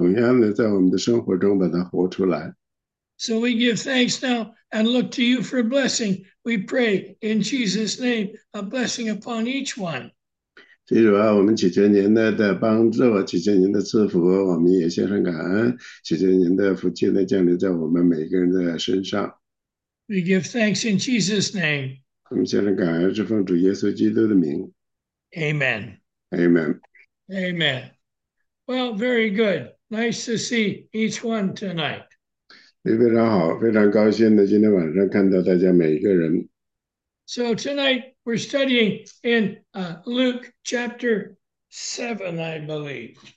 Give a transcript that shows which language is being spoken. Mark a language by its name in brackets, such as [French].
[Chinese] 所以主啊，今天晚上呢，所以我们祈求呢，您的圣灵呢，把这些呢都可以再印在我们的内心里，让我们呢不仅仅呢只是去交谈这些事情，同样呢在我们的生活中把它活出来。 [English] So we give thanks now and look to you for blessing. We pray in Jesus' name, a blessing upon each one. [Chinese] 所以主啊，我们祈求您的帮助，祈求您的赐福，我们也献上感恩，祈求您的福气呢降临在我们每个人的身上。 [English] We give thanks in Jesus' name. [Chinese] 我们献上感恩，是奉主耶稣基督的名。 [English] Amen. Amen. Amen. Well, very good. Nice to see each one tonight. [Chinese] 非常好，非常高兴的，今天晚上看到大家每一个人。 [English] So tonight we're studying in Luke chapter 7, I believe.